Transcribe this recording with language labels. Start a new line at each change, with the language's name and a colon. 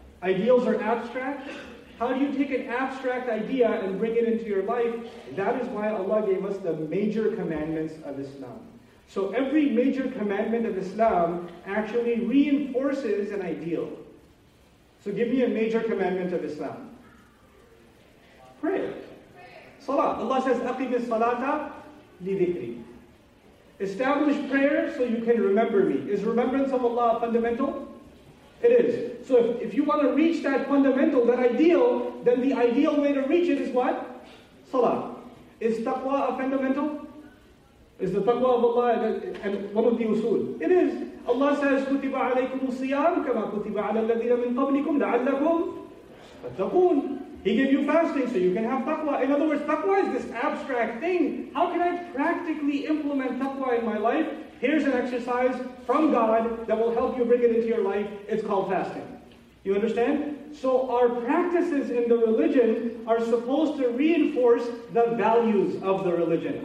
English: Ideals are abstract. How do you take an abstract idea and bring it into your life? That is why Allah gave us the major commandments of Islam. So every major commandment of Islam actually reinforces an ideal. So give me a major commandment of Islam. Pray. Salah.
Arabic: Allah says, أَقِمِ الصَّلَاةَ لِذِكْرِ.
English: Establish prayer so you can remember me. Is remembrance of Allah fundamental? It is. So if you want to reach that fundamental, that ideal, then the ideal way to reach it is what? Salah. Is taqwa a fundamental? Is the taqwa of Allah and one of the usul? It is.
Arabic: Allah says, كُتِبَ عَلَيْكُمُ الصِّيَامُ كَمَا كُتِبَ عَلَى الَّذِينَ مِنْ قَبْلِكُمْ لَعَلَّكُمْ تَتَّقُونَ.
English: He gave you fasting so you can have taqwa. In other words, taqwa is this abstract thing. How can I practically implement taqwa in my life? Here's an exercise from God that will help you bring it into your life. It's called fasting. You understand? So our practices in the religion are supposed to reinforce the values of the religion.